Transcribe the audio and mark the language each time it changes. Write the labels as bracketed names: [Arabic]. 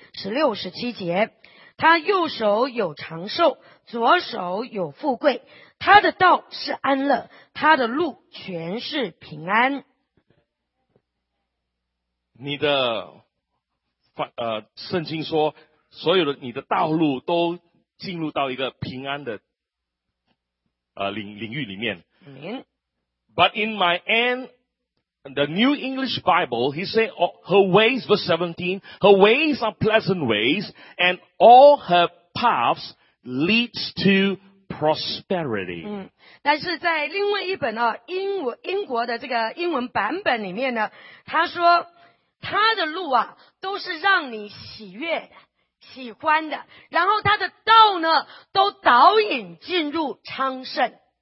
[Chinese] 16、17节，他右手有长寿，左手有富贵，他的道是安乐，他的路全是平安。你的圣经说所有的你的道路都进入到一个平安的领域里面。 [English] But in my end, the New English Bible, he said, her ways, verse 17, her ways are pleasant ways, and all her paths leads to prosperity. [Chinese] 但是在另外一本啊，英国的这个英文版本里面呢，他说他的路啊都是让你喜悦的、喜欢的，然后他的道呢都导引进入昌盛。